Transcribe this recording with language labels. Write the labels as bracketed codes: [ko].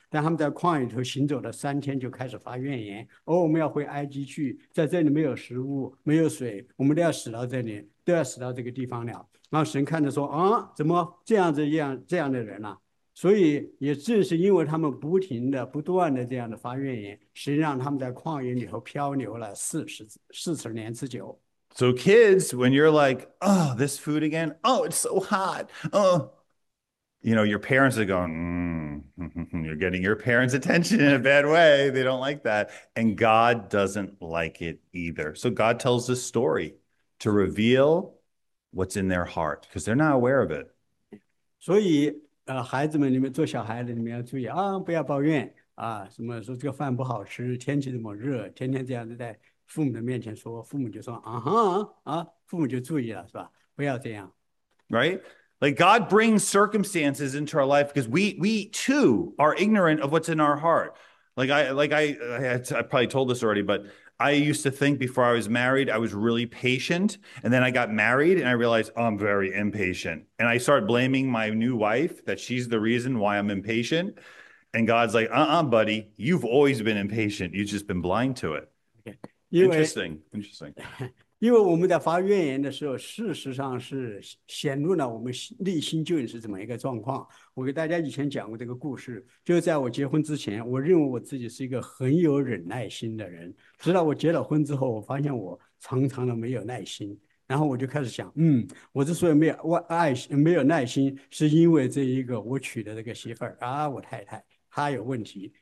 [zh] 但他们在旷野头行走了三天，就开始发怨言：“哦，我们要回埃及去，在这里没有食物，没有水，我们都要死到这里，都要死到这个地方了。” 然后神看着说：“啊，怎么这样子这样的人呢、啊？” 所以也正是因为他们不断的这样的发怨言，神让他们在旷野里头漂流了四十年之久。 [en] So kids, when you're like, oh, this food again, oh, it's so hot, oh, you know, your parents are going, you're getting your parents' attention in a bad way. They don't like that. And God doesn't like it either. So God tells this story to reveal what's in their heart because they're not aware of it. [zh] 所以孩子们，你们做小孩的，你们要注意啊，不要抱怨啊，什么说这个饭不好吃，天气这么热，天天这样子在父母的面前说，父母就说啊哈啊，父母就注意了，是吧？不要这样。 [en] Right? Like God brings circumstances into our life because we too are ignorant of what's in our heart. Like I probably told this already, but I used to think before I was married, I was really patient. And then I got married and I realized, oh, I'm very impatient. And I started blaming my new wife that she's the reason why I'm impatient. And God's like, buddy, you've always been impatient. You've just been blind to it. Interesting. Interesting. [zh] 因为我们在发怨言的时候，事实上是显露了我们内心究竟是怎么一个状况。我给大家以前讲过这个故事，就在我结婚之前，我认为我自己是一个很有忍耐心的人。直到我结了婚之后，我发现我常常的没有耐心，然后我就开始想，我之所以没有没有耐心，是因为这一个我娶的这个媳妇儿啊，我太太她有问题。